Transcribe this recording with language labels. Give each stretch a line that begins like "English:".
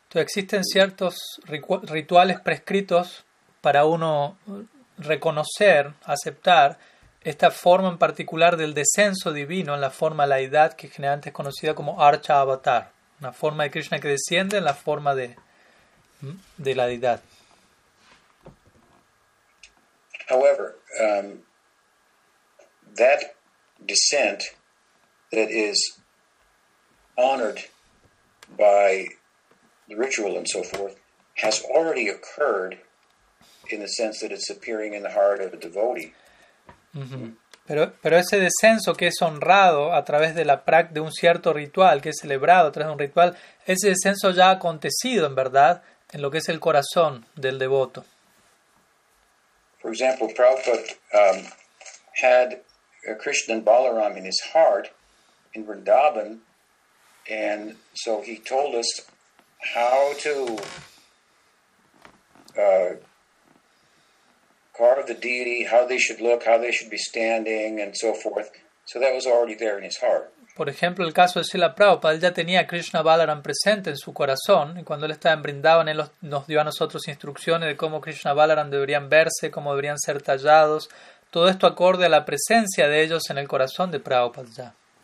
Spanish: Entonces, existen ciertos rituales prescritos para uno reconocer, aceptar esta forma en particular del descenso divino en la forma de la deidad, que generalmente es conocida como Archa avatar. Una forma de Krishna que desciende en la forma de la deidad.
English: However, that descent that is honored by the ritual and so forth has already occurred in the sense that it's appearing in the heart of a devotee. Mm-hmm.
Spanish: Pero ese descenso que es honrado a través de la práctica de un cierto ritual, que es celebrado a través de un ritual, ese descenso ya ha acontecido, en verdad, en lo que es el corazón del devoto.
English: For example, Prabhupada had Krishna and Balaram in his heart in Vrindavan, and so he told us how to carve the deity, how they should look, how they should be standing, and so forth. So that was already there in his heart.
Spanish: Por ejemplo, el caso de Srila Prabhupada, él ya tenía a Krishna Balaram presente en su corazón, y cuando él estaba en Vrindavan, él nos dio a nosotros instrucciones de cómo Krishna Balaram deberían verse, cómo deberían ser tallados, todo esto acorde a la presencia de ellos en el corazón de Prabhupada ya.